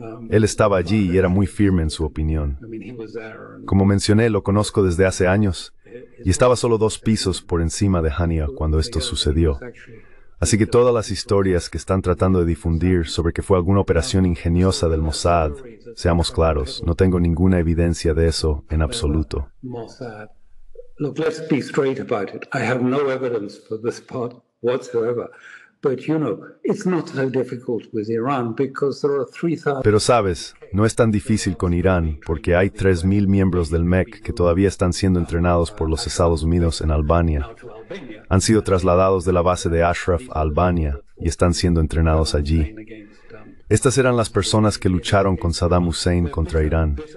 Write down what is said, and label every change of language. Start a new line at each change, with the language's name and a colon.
Spanish: Él estaba allí y era muy firme en su opinión. Como mencioné, lo conozco desde hace años. y estaba solo dos pisos por encima de Hania cuando esto sucedió. Así que todas las historias que están tratando de difundir sobre que fue alguna operación ingeniosa del Mossad, seamos claros, no tengo ninguna evidencia de eso en absoluto.
English: Look, let's be straight about it. I have no evidence for this part whatsoever. But, you know, it's not so difficult with Iran because there are 3,000...
Spanish: Pero sabes, no es tan difícil con Irán porque hay 3,000 miembros del MEC que todavía están siendo entrenados por los Estados Unidos en Albania. Han sido trasladados de la base de Ashraf a Albania y están siendo entrenados allí. Estas eran las personas que lucharon con Saddam Hussein contra Irán.